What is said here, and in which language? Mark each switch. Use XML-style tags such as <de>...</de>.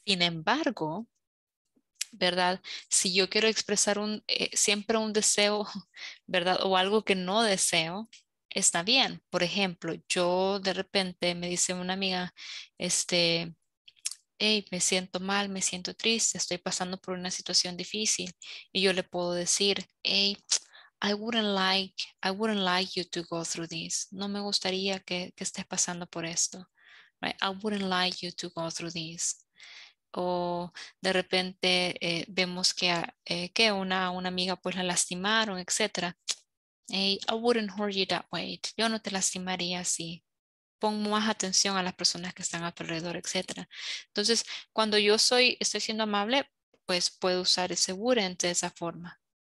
<es>Sin embargo, ¿verdad? Si yo quiero expresar siempre un deseo, ¿verdad? O algo que no deseo, está bien. Por ejemplo, yo de repente me dice una amiga, hey, me siento mal, me siento triste, estoy pasando por una situación difícil. Y yo le puedo decir,</es> <en>hey, I wouldn't like you to go through this.</en> <es>No me gustaría que estés pasando por esto.</es> <en>Right? I wouldn't like you to go through this.</en> <es>O de repente vemos que una amiga pues la lastimaron, etc.</es> <en>Hey, I wouldn't hurt you that way.</en> <es>Yo no te lastimaría así. Pon más atención a las personas que están a tu alrededor, etc. Entonces, cuando yo estoy siendo amable, pues puedo usar ese wouldn't de esa forma.</es>